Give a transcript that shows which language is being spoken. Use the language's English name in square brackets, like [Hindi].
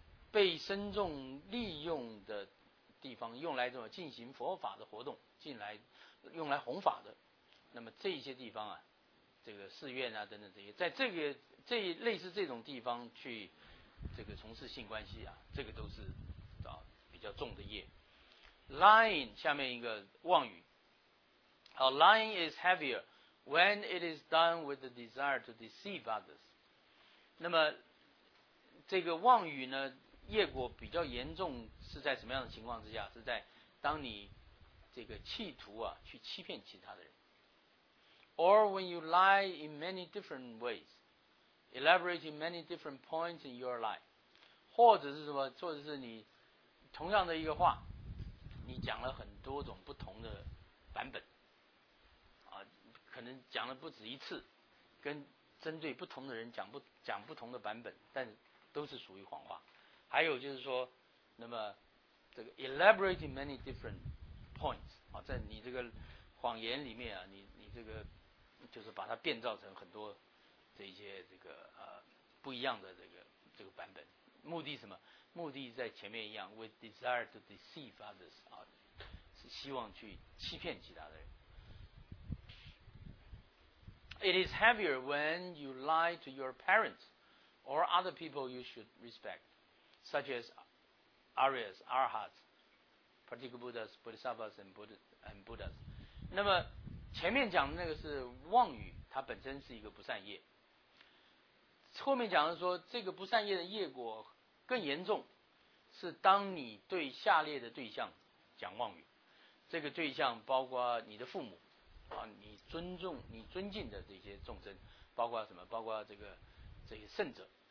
[Chinese] 被僧众利用的地方，用来进行佛法的活动，用来弘法的，那么这些地方这个寺院啊等等这些，在这个这类似这种地方去这个从事性关系啊，这个都是啊比较重的业。 [English] Lying [Chinese] 下面一个妄语，好 [English] ，lying is heavier when it is done with the desire to deceive others。 [Chinese] 那么这个妄语呢，业果比较严重是在什么样的情况之下？是在当你这个企图啊去欺骗其他的人。 [English] Or when you lie in many different ways, elaborating many different points in your lie. [Chinese] 或者是什么，或者是你同样的一个话，你讲了很多种不同的版本，啊，可能讲了不止一次，跟针对不同的人讲不同的版本，但都是属于谎话。还有就是说，那么这个 [English] elaborating many different points, [Chinese] 啊，在你这个谎言里面啊，你这个就是把它变造成很多这些这个不一样的这个版本，目的什么？目的在前面一样 ， [English] with desire to deceive others [Chinese] 啊，是希望去欺骗其他的人。 [English] It is heavier when you lie to your parents or other people you should respect, such as Aryas, Arhats, Pratika Buddhas, Bodhisattvas, and Buddhas. [Chinese] 那么前面讲的那个是妄语，它本身是一个不善业。后面讲的说这个不善业的业果。更严重是当你对下列的对象讲妄语，这个对象包括你的父母啊，你尊重你尊敬的这些众生，包括什么，包括这些圣者，